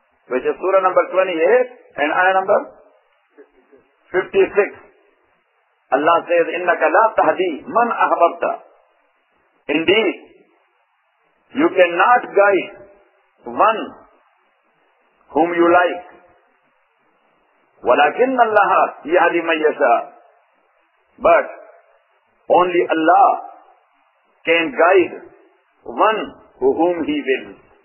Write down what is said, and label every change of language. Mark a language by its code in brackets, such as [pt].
[en] Which is Surah number 28 and ayah number? 56. Allah says, [ar] إِنَّكَ لَا تَهْدِي مَنْ أَحْبَدْتَ. [en] Indeed, you cannot guide one whom you like. [ar] وَلَكِنَّ اللَّهَ يَهْدِي مَنْ يَشَاءَ. [en] But only Allah can guide one whom He wills.